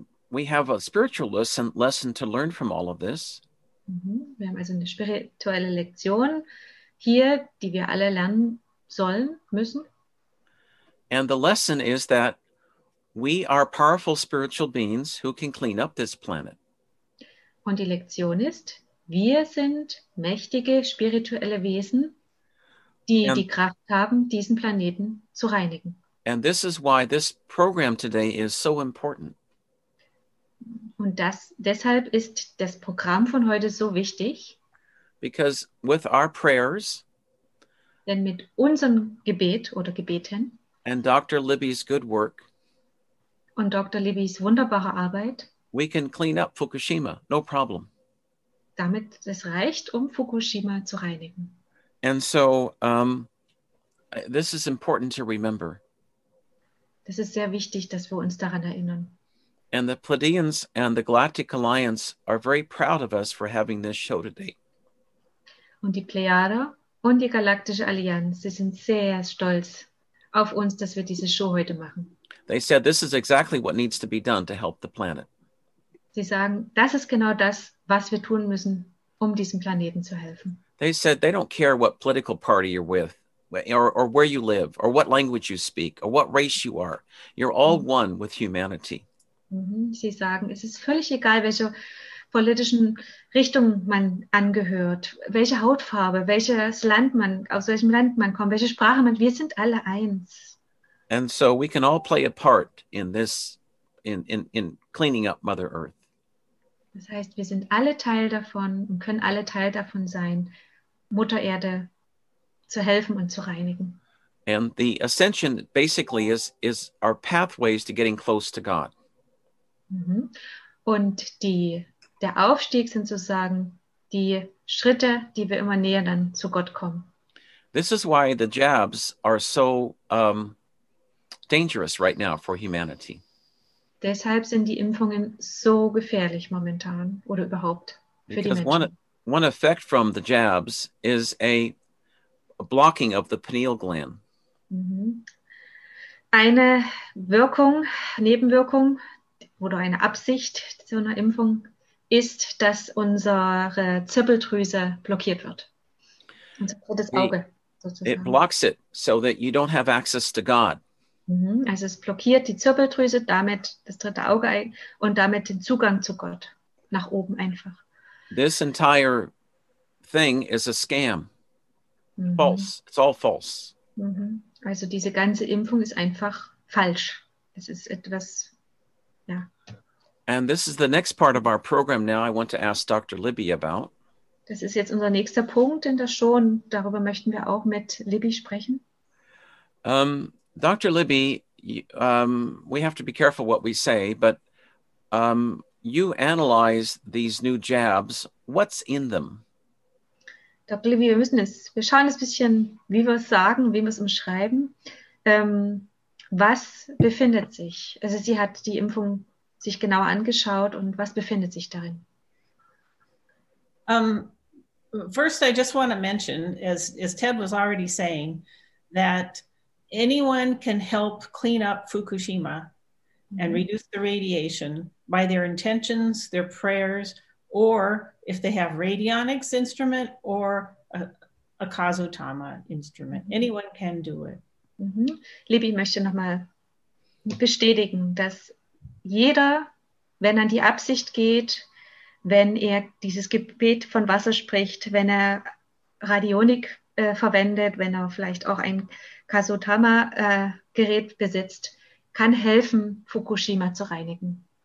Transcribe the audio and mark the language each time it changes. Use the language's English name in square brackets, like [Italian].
[English] we have a spiritual lesson to learn from all of this. [German] Wir haben also eine spirituelle Lektion hier, die wir alle lernen sollen, müssen. [English] And the lesson is that we are powerful spiritual beings who can clean up this planet. [German] Und die Lektion ist, wir sind mächtige spirituelle Wesen, die die Kraft haben, diesen Planeten zu reinigen. [English] And this is why this program today is so important. [German] Und deshalb ist das Programm von heute so wichtig. [English] Because with our prayers, [German] denn mit unserem Gebet oder Gebeten [English] and Dr. Libby's good work, [German] und Dr. Libby's wunderbare Arbeit, [English] we can clean up Fukushima, no problem. [German] Damit es reicht, um Fukushima zu reinigen. [English] And so this is important to remember. [German] Das ist sehr wichtig, dass wir uns daran erinnern. [English] And the Pleiadians and the Galactic Alliance are very proud of us for having this show today. [German] Und die Plejader und die Galaktische Allianz, sie sind sehr stolz auf uns, dass wir diese Show heute machen. [English] They said this is exactly what needs to be done to help the planet. [German] Sie sagen, das ist genau das, was wir tun müssen, um diesem Planeten zu helfen. [English] They said they don't care what political party you're with, or where you live, or what language you speak, or what race you are. You're all one with humanity. [German] Sie sagen, es ist völlig egal, welcher politischen Richtung man angehört, welche Hautfarbe, welches Land man, aus welchem Land man kommt, welche Sprache man, wir sind alle eins. [English] And so we can all play a part in this, in cleaning up Mother Earth. [German] Das heißt, wir sind alle Teil davon und können alle Teil davon sein, Mutter Erde zu helfen und zu reinigen. [English] And the ascension basically is our pathways to getting close to God. [German] Und der Aufstieg sind sozusagen die Schritte, die wir immer näher dann zu Gott kommen. [English] This is why the jabs are so dangerous right now for humanity. [German] Deshalb sind die Impfungen so gefährlich momentan oder überhaupt für [English] Because [German] die Menschen. [English] One effect from the jabs is a blocking of the pineal gland. [German] Eine Wirkung, Nebenwirkung oder eine Absicht zu einer Impfung ist, dass unsere Zirbeldrüse blockiert wird. Unser drittes Auge. [English] It blocks it so that you don't have access to God. [German] Also es blockiert die Zirbeldrüse, damit das dritte Auge und damit den Zugang zu Gott nach oben einfach. [English] This entire thing is a scam. False. It's all false. [German] Also diese ganze Impfung ist einfach falsch. Es ist etwas, ja. [English] And this is the next part of our program now I want to ask Dr. Libby about. [German] Das ist jetzt unser nächster Punkt in der Show und darüber möchten wir auch mit Libby sprechen. Dr. [English] Libby, we have to be careful what we say, but you analyze these new jabs. What's in them? Dr. [German] Libby, wir schauen ein bisschen, wie wir es sagen, wie wir es umschreiben. Was befindet sich? Also sie hat die Impfung sich genauer angeschaut und was befindet sich darin? [English] First, I just want to mention, as Ted was already saying, that anyone can help clean up Fukushima and reduce the radiation by their intentions, their prayers, or if they have radionics instrument or a Kazutama instrument. Anyone can do it. [German] Libby möchte nochmal bestätigen, dass jeder, wenn er an die Absicht geht, wenn er dieses Gebet von Wasser spricht, wenn er Radionik verwendet, wenn er vielleicht auch ein Kazutama-Gerät besitzt, kann helfen, Fukushima zu reinigen.